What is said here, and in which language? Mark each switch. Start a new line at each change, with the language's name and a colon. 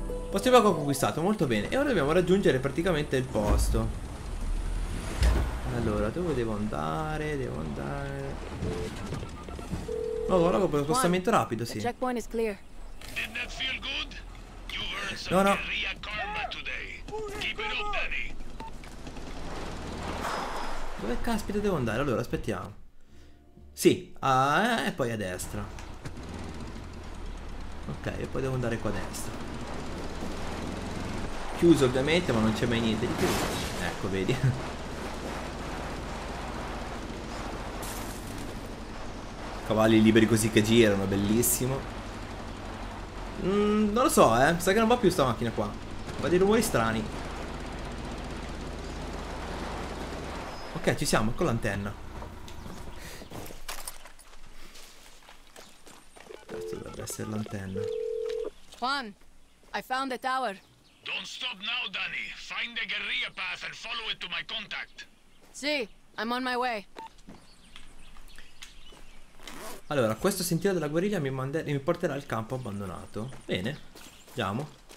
Italian: Posto di blocco conquistato, molto bene. E ora dobbiamo raggiungere praticamente il posto. Allora, dove devo andare? Devo andare. No, no, no, per lo spostamento rapido, sì.
English: Checkpoint is clear. Did that feel good? You earned some guerrilla karma today. Keep it up, Danny.
Italian: Dove caspita devo andare? Allora, aspettiamo. Sì, e poi a destra. Ok, e poi devo andare qua a destra. Chiuso ovviamente, ma non c'è mai niente di più. Ecco, vedi. Cavalli liberi così che girano, bellissimo. Non lo so, sa che non va più sta macchina qua. Fa dei rumori strani. Ok, ci siamo, con l'antenna. Questo dovrebbe essere l'antenna.
English: Juan, I found the tower. Don't stop now, Danny. Find the guerrilla path and follow it to my contact. Sì, I'm on my way.
Italian: Allora, questo sentiero della guerriglia mi porterà al campo abbandonato. Bene, andiamo.